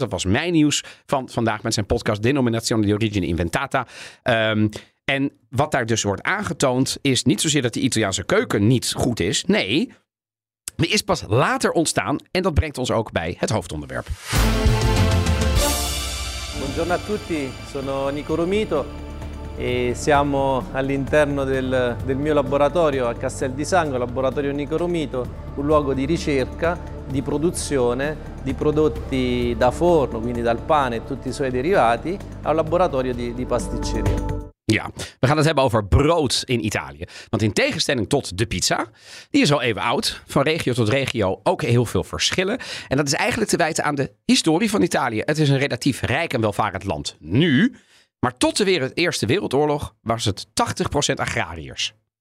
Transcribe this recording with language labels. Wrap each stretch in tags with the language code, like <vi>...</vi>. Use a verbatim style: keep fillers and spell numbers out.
<nl>Dat was mijn nieuws van vandaag met zijn podcast Denominazione di Origine Inventata. Um, en wat daar dus wordt aangetoond is niet zozeer dat de Italiaanse keuken niet goed is. Nee, die is pas later ontstaan en dat brengt ons ook bij het hoofdonderwerp.</nl> <it>Buongiorno a tutti, sono Nico Romito. E siamo all'interno del, del mio laboratorio a Castel di Sango, laboratorio Nico Romito, un luogo di ricerca, di produzione di prodotti da forno, quindi dal pane e tutti i suoi derivati, a un laboratorio di, di pasticceria.</it> <nl>Ja, we gaan het hebben over brood in Italië. Want in tegenstelling tot de pizza, die is al even oud. Van regio tot regio ook heel veel verschillen. En dat is eigenlijk te wijten aan de historie van Italië. Het is een relatief rijk en welvarend land nu. Maar tot de Eerste Wereldoorlog was het tachtig procent agrariërs.</nl>